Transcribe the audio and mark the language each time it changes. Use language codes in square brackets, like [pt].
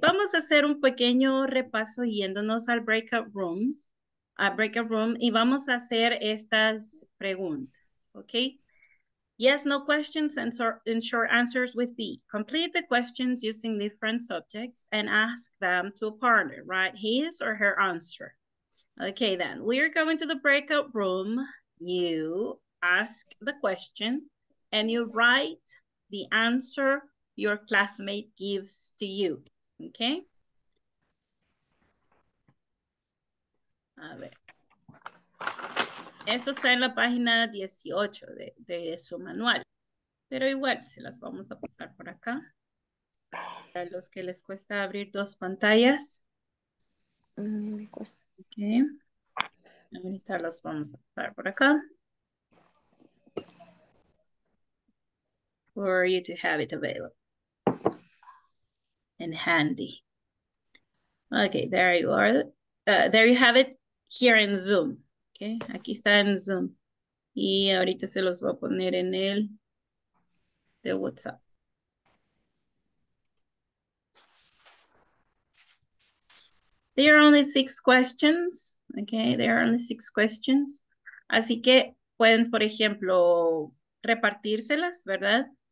[es] Vamos a hacer un pequeño repaso yéndonos al breakout rooms. [en] A breakout room, [es] y vamos a hacer estas preguntas, okay? [en] Yes, no questions, and short answers with B. Complete the questions using different subjects and ask them to a partner, write his or her answer. Okay, then, we are going to the breakout room. You ask the question, and you write the answer your classmate gives to you, okay? [es] A ver, esto está en la página 18 de su manual, pero igual se las vamos a pasar por acá, para los que les cuesta abrir dos pantallas, okay. Ahorita los vamos a pasar por acá, [en] for you to have it available, and handy, okay, there you are, there you have it, here in Zoom, okay? [es] Aquí está en Zoom. Y ahorita se los voy a poner en el de WhatsApp. [en] There are only six questions, okay? There are only six questions. [es] Así que pueden, por ejemplo, repartírselas, ¿verdad?